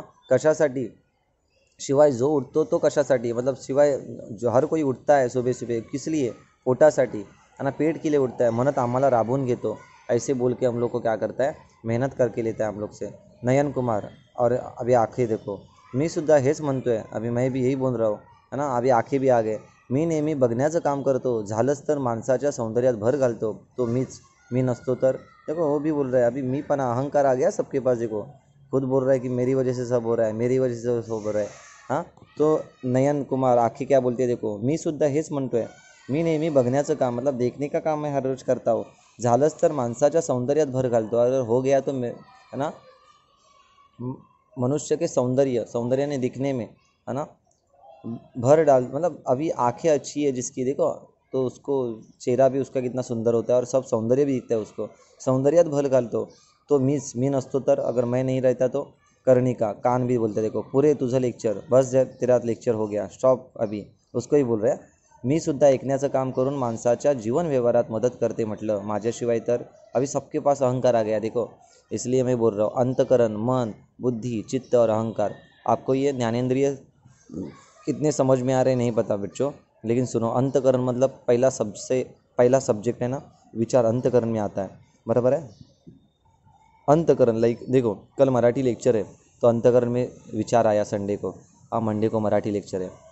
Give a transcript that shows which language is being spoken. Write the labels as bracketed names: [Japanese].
[Hindi] कशासाठी, शिवाय जो उठतो तो कशासाठी, मतलब शिवाय जो हर कोई उठता है सुबह सुबह, किस लिए, पोटासाठी है ना, पेट के लिए उठता है, [Marathi] म्हणत आम्हाला राबून घेतो, [Hindi] ऐसे बोल के हम लोग को क्या करता है, मेहनत करके लेता है हम लोग से। [Marathi] नयन कुमार, और अभी आखिर देखो, मी सुद्धा हेच म्हणतो आहे, [Hindi] अभी मैं भी यही बोल रहा हूँ [Marathi] है ना, अभी आखे भी आ गए, मी नेहमी बघण्याचं काम करतो, झालंच तर माणसाच्या सौंदर्यात भर घालतो तो मीच, मी नसतो तर। [Hindi] देखो वो भी बोल रहा है, अभी मी पण अहंकार आ गया सबके पास, देखो खुद बोल रहा है कि मेरी वजह से सब हो रहा है, मेरी वजह से सब हो रहा है। हाँ तो नयन कुमार आखे क्या बोलते हैं, देखो मी सुद्धा हेच म्हणतो आहे, [Marathi] मी नेहमी बघण्याचं काम [Hindi] मतलब देखने का काम मैं हर रोज करता हूँ, [Marathi] झालंच तर माणसाच्या सौंदर्यात भर घालतो, [Hindi] अगर हो गया तो मैं है ना मनुष्य के सौंदर्य सौंदर्याने दिखने में है ना भर डाल, मतलब अभी आंखें अच्छी है जिसकी, देखो तो उसको चेहरा भी उसका कितना सुंदर होता है और सब सौंदर्य भी दिखता है उसको, सौंदर्यात भर घाल तो मीस मीन असतो तर, अगर मैं नहीं रहता तो। कर्णिका, कान भी बोलते, देखो पूरे तुझा लेक्चर बस तेरा लेक्चर हो गया स्टॉप, अभी उसको ही बोल रहे हैं, [Marathi] मी सुद्धा ऐकण्याचं काम करून माणसाच्या जीवन व्यवहारात मदत करते म्हटलं, माझ्याशिवाय तर, [Hindi] अभी सबके पास अहंकार आ गया, देखो इसलिए मैं बोल रहा हूँ अंतकरण, मन, बुद्धि, चित्त और अहंकार। आपको ये ज्ञानेंद्रिय कितने समझ में आ रहे नहीं पता बच्चों, लेकिन सुनो, अंतकरण मतलब पहला, सबसे पहला सब्जेक्ट है ना विचार, अंतकरण में आता है, बराबर है। अंतकरण लाइक देखो, कल मराठी लेक्चर है तो अंतकरण में विचार आया संडे को, अब मंडे को मराठी लेक्चर है।